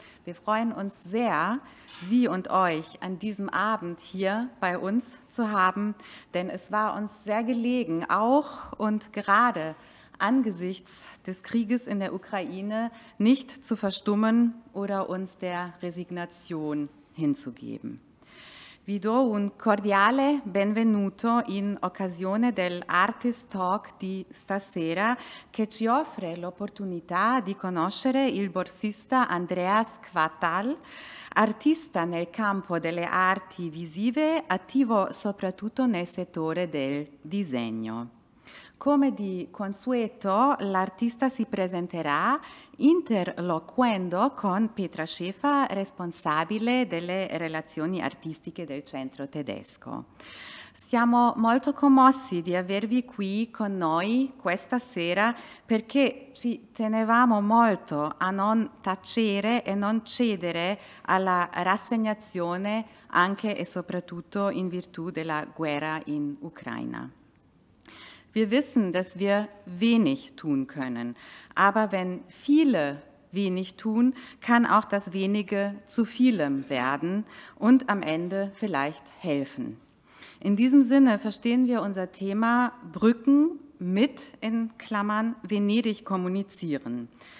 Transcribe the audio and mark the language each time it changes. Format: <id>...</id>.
<de>Wir freuen uns sehr, Sie und euch an diesem Abend hier bei uns zu haben, denn es war uns sehr gelegen, auch und gerade angesichts des Krieges in der Ukraine nicht zu verstummen oder uns der Resignation hinzugeben.</de> <it>Vi do un cordiale benvenuto in occasione dell'Artist Talk di stasera che ci offre l'opportunità di conoscere il borsista Andreas Quartal, artista nel campo delle arti visive, attivo soprattutto nel settore del disegno. Come di consueto, l'artista si presenterà interloquendo con Petra Schäfer, responsabile delle relazioni artistiche del Centro Tedesco. Siamo molto commossi di avervi qui con noi questa sera perché ci tenevamo molto a non tacere e non cedere alla rassegnazione anche e soprattutto in virtù della guerra in Ucraina.</it> <de>Wir wissen, dass wir wenig tun können, aber wenn viele wenig tun, kann auch das Wenige zu vielem werden und am Ende vielleicht helfen. In diesem Sinne verstehen wir unser Thema Brücken mit, in Klammern, Venedig kommunizieren.</de>